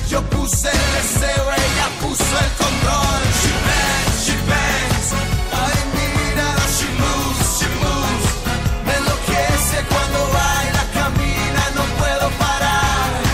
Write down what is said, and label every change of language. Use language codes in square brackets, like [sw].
[es] Puse el deseo, ella puso el control. [en] She bangs, she bangs. [es] Ay, mira, [en] she moves, she moves. [es] Me enloquece cuando baila, camina, no puedo parar.